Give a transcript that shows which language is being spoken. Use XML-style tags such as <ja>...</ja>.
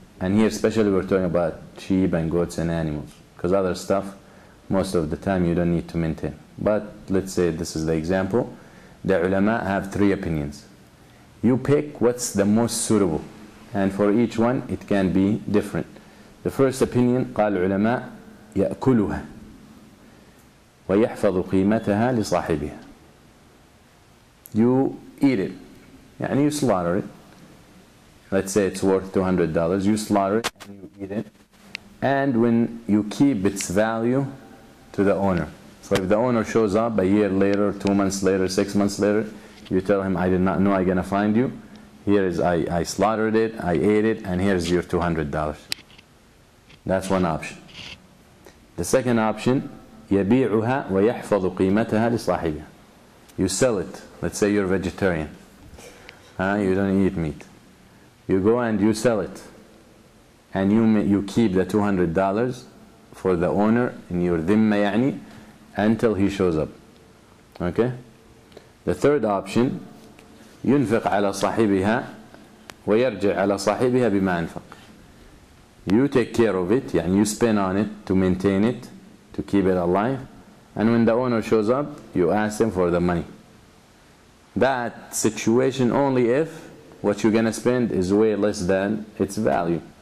<en>And here especially we're talking about sheep and goats and animals, because other stuff, most of the time you don't need to maintain. But let's say this is the example. The ulama have three opinions. You pick what's the most suitable. And for each one, it can be different. The first opinion,</en> <ar>قال العلماء يأكلها ويحفظ قيمتها لصاحبها.</ar> <en>You eat it. يعني you slaughter it. Let's say it's worth $200, you slaughter it and you eat it. And when you keep its value to the owner. So if the owner shows up a year later, 2 months later, 6 months later, you tell him, I did not know I'm going to find you. Here is, I slaughtered it, I ate it, and here's your $200. That's one option. The second option,</en> <ar>يبيعها ويحفظ قيمتها لصاحبها.</ar> <en>You sell it. Let's say you're a vegetarian. You don't eat meat. You go and you sell it, and you keep the $200 for the owner in your dhimma يعني until he shows up. Okay. The third option,</en> <ar>ينفق على صاحبها ويرجع على صاحبها بما أنفق.</ar> <en>You take care of it, يعني you spend on it to maintain it, to keep it alive, and when the owner shows up, you ask him for the money. That situation only if what you're going to spend is way less than its value.</en>